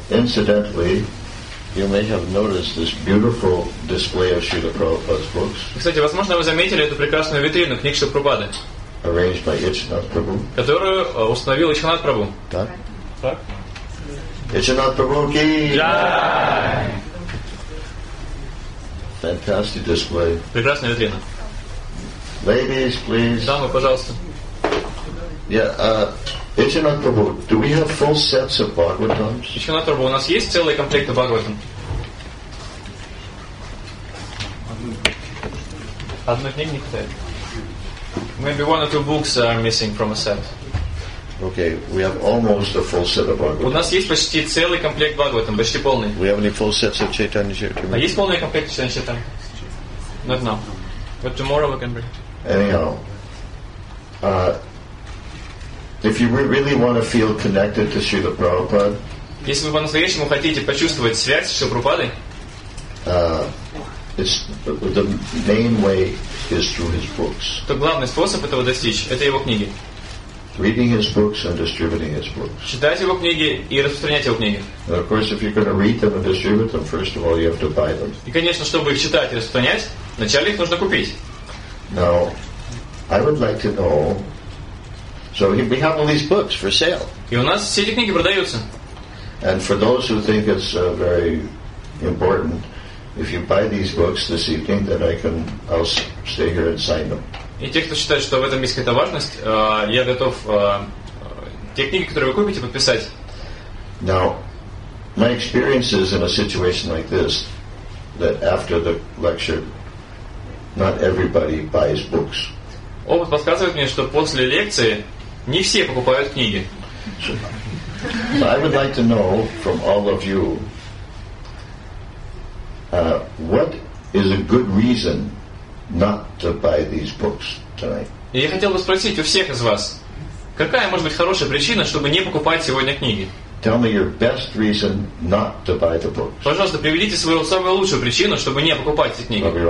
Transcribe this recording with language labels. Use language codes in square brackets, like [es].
[en] Incidentally, you may have noticed this beautiful display of Srila Prabhupada's books. [ru] Кстати, возможно, вы заметили эту прекрасную витрину книг Шрилы Прабхупады. [en] Arranged by Ichanath Prabhu. [ru] Которую установил Ichanath Prabhu. Так. Так. [hi] Ichanath Prabhu ki. Jai. [en] Fantastic display. [ru] Прекрасная витрина. [en] Ladies, please. [ru] Дамы, пожалуйста. [en] Yeah, Ishanath Prabhu, do we have full sets of Bhagavatams? [ru] Ishanath Prabhu, у нас есть целый комплект Бхагаватам? Одну книгу не хватает. [en] Maybe one or two books are missing from a set. Okay, we have almost a full set of Bhagavatam. [ru] У нас есть почти целый комплект Бхагаватам, почти полный. [en] We have any full sets of Chaitanya Charitamrita? [ru] Есть полный комплект Chaitanya Charitamrita? [en] Not now. But tomorrow we can bring. Anyhow, if you really want to feel connected to Srila Prabhupada, [ru] если вы по-настоящему хотите почувствовать связь с Шрилой Прабхупадой, [en] the main way is through his books. [ru] То главный способ этого достичь – это его книги. [en] Reading his books and distributing his books. [ru] Читать его книги и распространять его книги. [en] And of course, if you're going to read them and distribute them, first of all, you have to buy them. [ru] И конечно, чтобы их читать и распространять, вначале их нужно купить. [en] Now, I would like to know. So we have all these books for sale. [ru] И у нас все эти книги продаются. [en] And for those who think it's very important, if you buy these books this evening, then I'll stay here and sign them. [ru] И те, кто считает, что в этом есть какая-то важность, я готов те книги, которые вы купите, подписать. [en] Now, my experience is in a situation like this, that after the lecture, not everybody buys books. [ru] Опыт подсказывает мне, что после лекции не все покупают книги. [en] So I would like to know from all of you what is a good reason not to buy these books tonight. [ru] И я хотел бы спросить у всех из вас, какая может быть хорошая причина, чтобы не покупать сегодня книги? [en] Tell me your best reason not to buy the books. [ru] Пожалуйста, приведите свою самую лучшую причину, чтобы не покупать эти книги.